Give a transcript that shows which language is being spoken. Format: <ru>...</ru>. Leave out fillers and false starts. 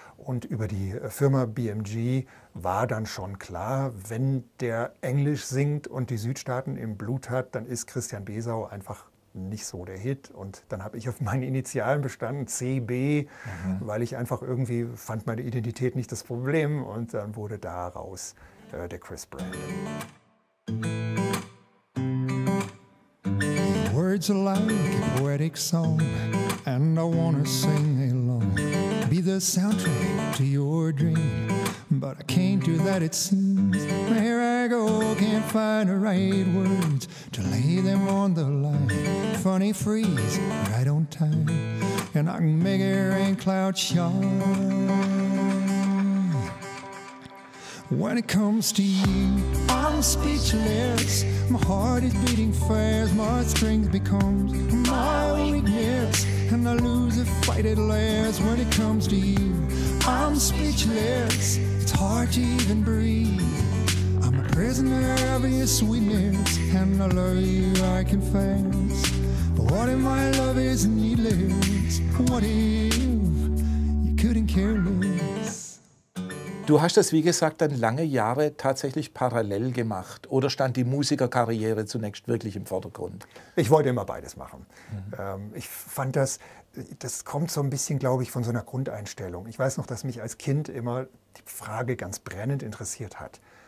<de>Und über die Firma BMG war dann schon klar, wenn der Englisch singt und die Südstaaten im Blut hat, dann ist Christian Besau einfach nicht so der Hit. Und dann habe ich auf meinen Initialen bestanden, CB, weil ich einfach irgendwie fand meine Identität nicht das Problem. Und dann wurde daraus der Chris Brown.</de> <en>Words are like a poetic song, and I wanna sing along. Be the soundtrack to your dream, but I can't do that, it seems. Here I go, can't find the right words to lay them on the line. Funny freeze, right on time, and I can make a rain cloud shine. When it comes to you, I'm speechless. My heart is beating fast, my strength becomes my weakness. And I lose a fight at last when it comes to you. I'm speechless, it's hard to even breathe. I'm a prisoner of your sweetness, and I love you, I confess. But what if my love is needless? What if you couldn't care less?</en> <de>Du hast das, wie gesagt, dann lange Jahre tatsächlich parallel gemacht. Oder stand die Musikerkarriere zunächst wirklich im Vordergrund? Ich wollte immer beides machen. Ich fand das, das kommt so ein bisschen, glaube ich, von so einer Grundeinstellung. Ich weiß noch, dass mich als Kind immer die Frage ganz brennend interessiert hat.</de>